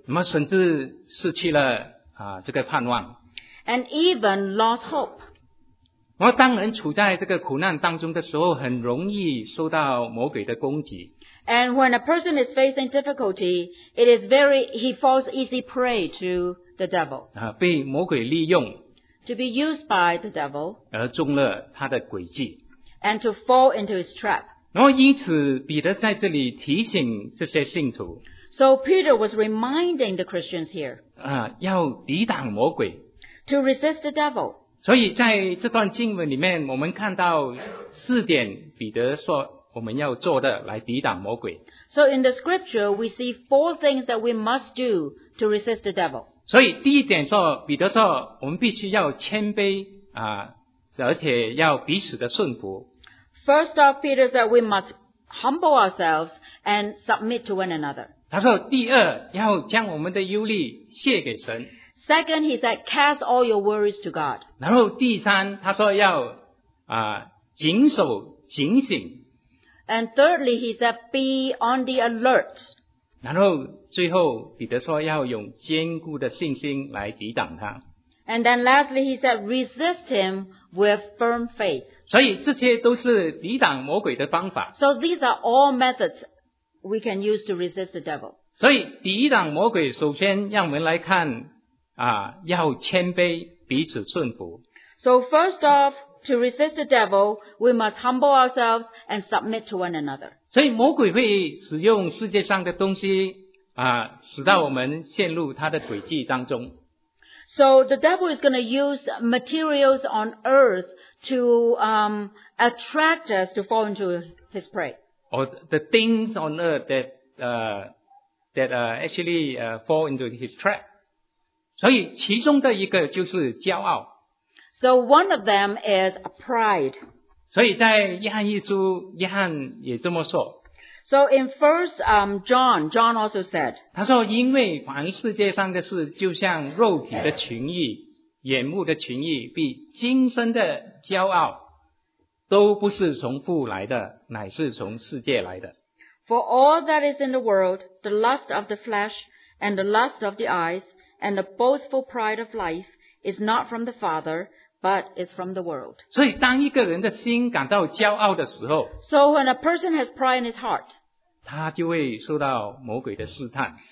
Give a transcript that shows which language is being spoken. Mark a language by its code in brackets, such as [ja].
[zh] 那么甚至失去了这个盼望。 [en] And even lost hope. [zh] 我当人处在这个苦难当中的时候，很容易受到魔鬼的攻击。 [en] And when a person is facing difficulty, it is very, he falls easy prey to the devil. [zh] 被魔鬼利用。 [en] To be used by the devil. [zh] 而中了他的诡计。 [en] And to fall into his trap. [zh] 然后因此彼得在这里提醒这些信徒。 [en] So Peter was reminding the Christians here. [zh] 要抵挡魔鬼。 [en] To resist the devil. [zh] 所以在这段经文里面，我们看到四点彼得说我们要做的来抵挡魔鬼。 [en] So in the scripture, we see four things that we must do to resist the devil. [zh] 所以第一点说，彼得说我们必须要谦卑啊，而且要彼此的顺服。 [en] First off, Peter said we must humble ourselves and submit to one another. [zh] 他说第二要将我们的忧虑卸给神。 [en] Second, he said, cast all your worries to God. [zh] 然后第三，他说要谨守警醒。 [en] And thirdly, he said, be on the alert. [zh] 然后最后彼得说要用坚固的信心来抵挡他。 [en] And then lastly, he said, resist him with firm faith. [zh] 所以这些都是抵挡魔鬼的方法。 [en] So these are all methods we can use to resist the devil. [zh] 所以抵挡魔鬼，首先让我们来看要谦卑，彼此顺服。 [en] So first off,To resist the devil, we must humble ourselves and submit to one another. [zh] 所以魔鬼会使用世界上的东西使到我们陷入他的诡计当中。 [en] So the devil is going to use materials on earth to attract us to fall into his prey. Or the things on earth that actually fall into his trap. [zh] 所以其中的一个就是骄傲。 [en] So one of them is pride. [zh] 所以在约翰一书，约翰也这么说。 [en] So in first John also said. [zh] 他说因为凡世界上的事，就像肉体的情欲、眼目的情欲，比今生的骄傲，都不是从父来的，乃是从世界来的。 [en] For all that is in the world, the lust of the flesh, and the lust of the eyes, and the boastful pride of life,is not from the Father, but is from the world. [zh] 所以当一个人的心感到骄傲的时候， [en] So when a person has pride in his heart, [zh] 他就会受到魔鬼的试探，